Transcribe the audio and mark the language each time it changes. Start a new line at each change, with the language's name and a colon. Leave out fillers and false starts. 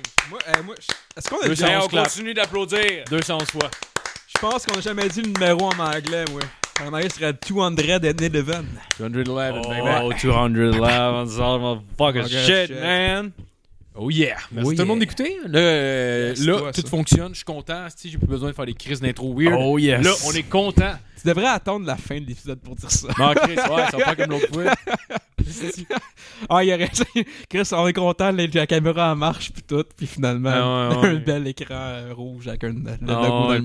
French: Moi, est-ce qu'on a déjà continué d'applaudir 211 fois. Je pense qu'on a jamais dit le numéro en anglais, moi. En anglais, ce serait 211.
English: 211, baby. Oh, 211, it's all my fucking shit, man. Oh yeah.
French: Merci tout le monde d'écouter. Tout fonctionne, je suis content. Si j'ai plus besoin de faire des crises d'intro weird.
English: Oh yes.
French: Là, on est content. Tu devrais attendre la fin de l'épisode pour dire ça. Non, Chris, ouais, ça va pas comme l'autre fois. Ah, il aurait... Chris, on est content, la caméra en marche, puis tout, puis finalement, un bel écran rouge avec un logo dans le milieu.